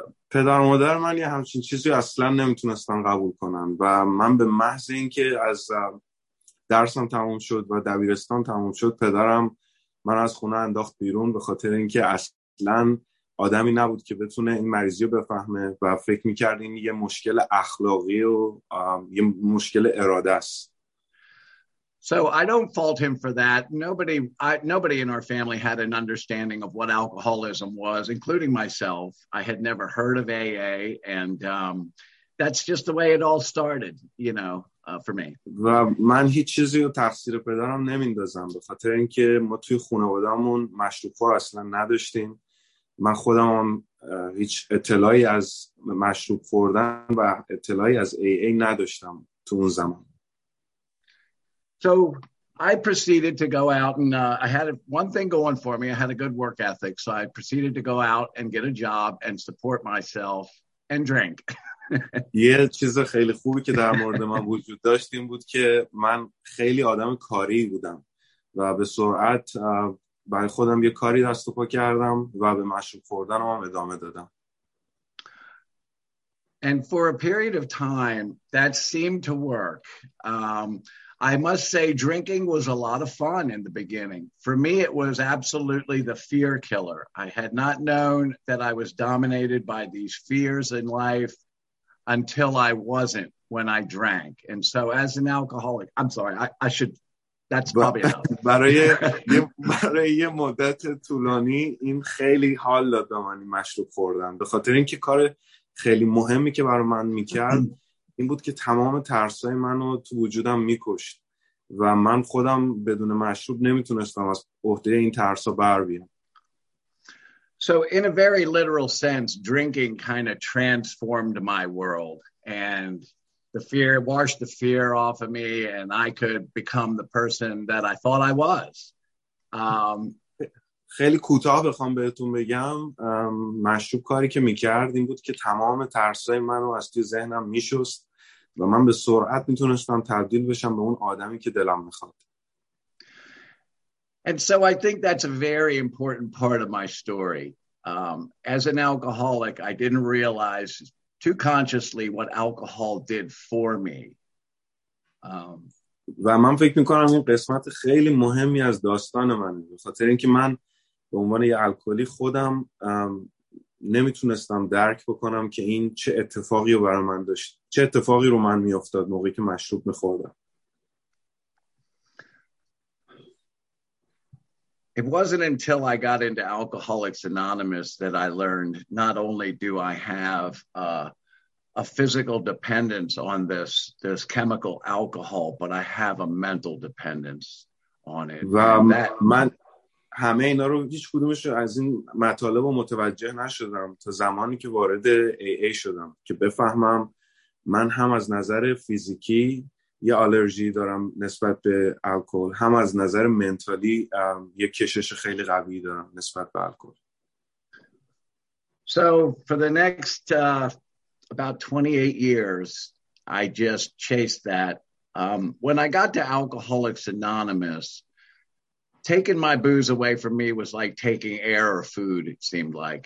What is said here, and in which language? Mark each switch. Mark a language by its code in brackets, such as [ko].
[fa] پدر مادر من یه همچین چیزی اصلا نمیتونستن قبول کنن و من به محض اینکه از درسم تموم شد و دبیرستان تموم شد پدرم من از خونه انداخت بیرون به خاطر اینکه اصلا آدمی نبود که بتونه این مریضی رو بفهمه و فکر میکرد این یه مشکل اخلاقی و یه مشکل اراده است. [en] So I don't fault him for that. Nobody in our family had an understanding of what alcoholism was, including myself. I had never heard of AA, and that's just the way it all started, you know, for me. [fa] و من هیچ چیزی رو تقصیر پدرم نمیندازم به خاطر اینکه ما توی خانواده‌مون مشروب‌خور اصلا نداشتیم. من خودم هیچ اطلاعی از مشروب خوردن و اطلاعی از AA نداشتم تو اون زمان. [en] So I proceeded to go out and I had one thing going for me. I had a good work ethic. So I proceeded to go out and get a job and support myself and drink. [fa] یه چیز خیلی خوبی که در مورد من وجود داشت این بود که من خیلی آدم کاری بودم و به سرعت برای خودم یه کاری دست و پا کردم و به مشروب خوردن هم ادامه دادم. [en] And for a period of time that seemed to work. I must say drinking was a lot of fun in the beginning. For me it was absolutely the fear killer. I had not known that I was dominated by these fears in life until I wasn't when I drank. And so as an alcoholic, I'm sorry, I should that's probably enough. [fa] برای مدت طولانی این خیلی حال داد من مشروب خوردن به خاطر اینکه کار خیلی مهمی که برای من میکرد این بود که تمام ترسای منو تو وجودم میکشت و من خودم بدون مشروب نمیتونستم از عهده این ترسا بر بیام. [en] So in a very literal sense, drinking kind of transformed my world and the fear washed the fear off of me and I could become the person that I thought I was. [fa] خیلی کوتاه بخوام بهتون بگم مشروب کاری که میکرد این بود که تمام ترسای منو از توی ذهنم میشست و من به سرعت میتونستم تبدیل بشم به اون آدمی که دلم میخواد. [en] And so I think that's a very important part of my story. As an alcoholic, I didn't realize too consciously what alcohol did for me. [fa] و من فکر میکنم این قسمت خیلی مهمی از داستان منه. به خاطر اینکه من به عنوان یه الکلی خودم نمیتونستم درک بکنم که این چه اتفاقی رو برای من داشت. چه اتفاقی رو من میافتاد موقعی که مشروب میخوردم. [en] It wasn't until I got into Alcoholics Anonymous that I learned not only do I have a physical dependence on this chemical alcohol, but I have a mental dependence on it. [fa] و من همه اینا رو هیچ کدومش رو از این مطالب رو متوجه نشدم تا زمانی که وارد AA شدم که بفهمم من هم از نظر فیزیکی یه آلرژی دارم نسبت به الکل، هم از نظر منتالی یه کشش خیلی قوی دارم نسبت به الکل. [en] So for the next about 28 years I just chased that. When I got to Alcoholics Anonymous, taking my booze away from me was like taking air or food, it seemed like.